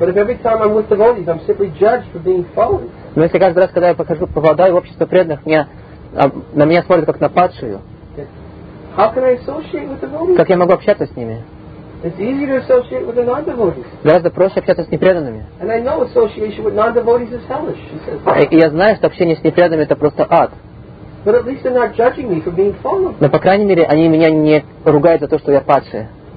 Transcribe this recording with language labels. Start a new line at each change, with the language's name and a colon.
English: But if every time I'm with devotees, I'm simply judged for being fallen.
Russian: Но если каждый раз, когда я попадаю в общество преданных, на меня смотрят как на падшую.
English: How can I associate with devotees?
Russian: Как я могу общаться с ними?
English: It's easier to associate with the non-devotees.
Russian: Гораздо проще общаться с непреданными.
English: And I know association with non-devotees is hellish, she says.
Russian: И я знаю, что общение с непреданными это просто ад.
English: But at least they're not judging me for being fallen.
Russian: Но по крайней мере они меня не ругают за то, что я падший.